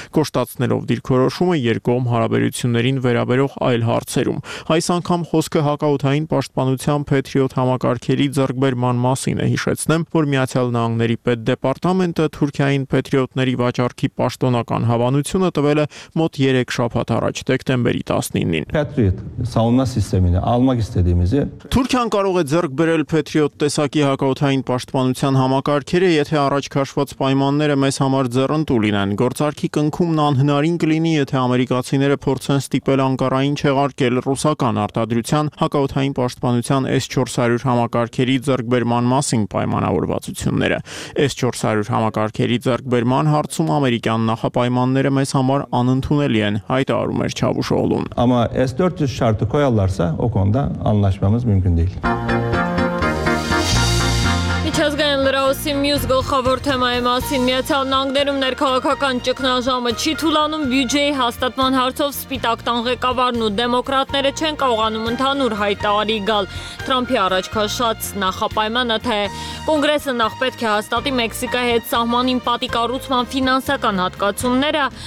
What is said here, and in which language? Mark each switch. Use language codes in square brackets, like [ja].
[hy] կոշտացնելով դիրքորոշումը երկկողմ հարաբերություններին վերաբերող այլ հարցերում։ Այս անգամ խոսքը հակաօդային պաշտպանության Պետրիոտ համակարգերի ձեռքբերման մասին է, հիշեցնեմ, որ Միացյալ Նահանգների պետ դեպարտամենտը Թուրքիային Պետրիոտների վաճառքի պաշտոնական հավանությունը տվել է մոտ 3 շաբաթ առաջ, դեկտեմբերի 19-ին։ [tr] Patriot savunma sistemini almak istediğimizi [hy] Թուրքիան կարող է ձեռք բերել Patriot տեսակի հակաօդային պաշտպանության համակարգերը, եթե առաջ քաշված պայմանները մեզ համար ձեռնտու լինեն։ Գործարքի կնքումն անհնարին կլինի, եթե ամերիկացիները փորձեն ստիպել Անկարային չեղարկել ռուսական արտադրության հակաօդային պաշտպանության S-400 համակարգերի ձեռքբերման մասին պայմանավորվածությունները։ S-400 համակարգերի ձեռքբերման հարցում ամերիկյան նախապայմանները մեզ համար անընդունելի են, հայտարարում էր Չավուշօղլուն։ [tr] Ama S-400 şartı koyarlarsa o konuda anlaşmamız mümkün değil. [hy] Միջազգային լրահոսի մյուս գլխավոր թեմայի մասին Միացյալ Նահանգներում ներքաղաքական ճգնաժամը չի թուլանում բյուջեի հաստատման հարցով Սպիտակ տան ղեկավարն ու դեմոկրատները չեն կարողանում ընդհանուր հայտարարի գալ։ Թրամփի առաջքաշած նախապայմանը, թե Կոնգրեսը նախ պետք է հաստատի Մեքսիկայի հետ սահմանին պատի կառուցման ֆինանսական հատկացումները,